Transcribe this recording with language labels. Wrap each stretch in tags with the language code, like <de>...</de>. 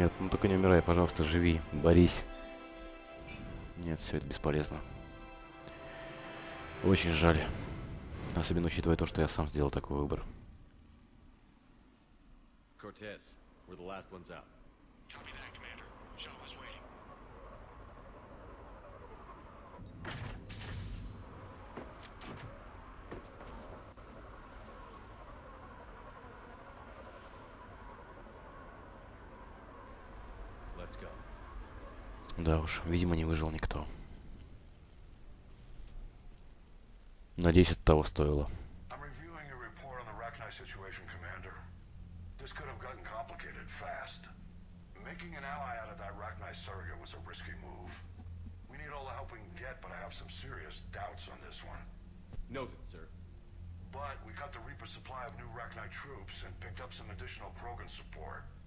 <ru>Только не умирай, пожалуйста, живи, борись. Нет, все это бесполезно. Очень жаль. Особенно учитывая то, что я сам сделал такой выбор.</ru> <en>Cortez, we're the last ones out. Copy that, Commander. Shuttle is waiting. Let's go.</en> <ru>Да уж, видимо, не выжил никто. Надеюсь, это того стоило.</ru> <en>I'm reviewing your report on the Rakhnai situation, Commander. This could have gotten complicated fast. Making an ally out of that Rakhnai surrogate was a risky move. We need all the help we can get, but I have some serious doubts on this one. Noted, sir. But we cut the Reaper supply of new Rakhnai troops and picked up some additional Krogan support.</en>